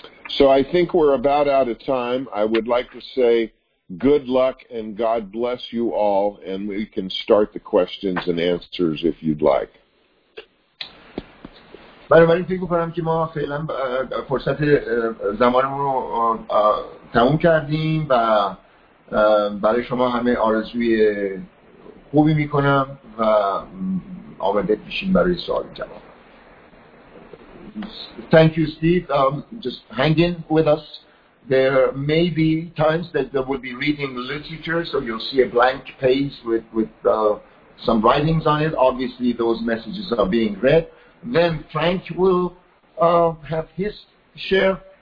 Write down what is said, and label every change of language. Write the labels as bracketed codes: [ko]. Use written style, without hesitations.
[en] So I think we're about out of time. I would like to say good luck and God bless you all, and we can start the questions and answers if you'd like. [fa] بنابراین فکر می‌کنم که ما فعلا فرصت زمانمون رو تموم کردیم و برای شما همه آرزوی خوبی می‌کنم و آماده بشین برای سوال جواب. [en] Thank you, Steve. Just hang in with us. There may be times that there will be reading literature, so you'll see a blank page with some writings on it. Obviously, those messages are being read. Then Frank will have his share.